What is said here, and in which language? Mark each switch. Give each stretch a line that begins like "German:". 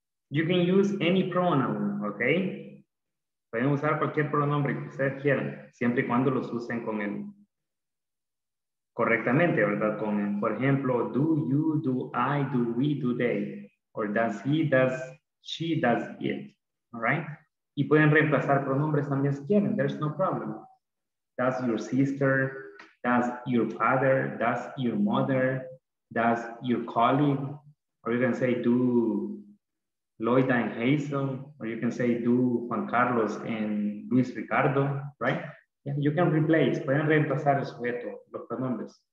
English: You can use any pronoun, okay?
Spanish: Pueden usar cualquier pronombre que ustedes quieran, siempre y cuando los usen con él correctamente, ¿verdad? Con él. Por ejemplo,
English: do you, do I, do we, do they, or does he, does she, does it, all right?
Spanish: Y pueden reemplazar pronombres también si quieren,
English: there's no problem. Does your sister, does your father, does your mother, does your colleague, or you can say do Lloyd and Hazel, or you can say do Juan Carlos and Luis Ricardo, right? Yeah, you can replace,
Spanish: pueden reemplazar el sujeto, los pronombres.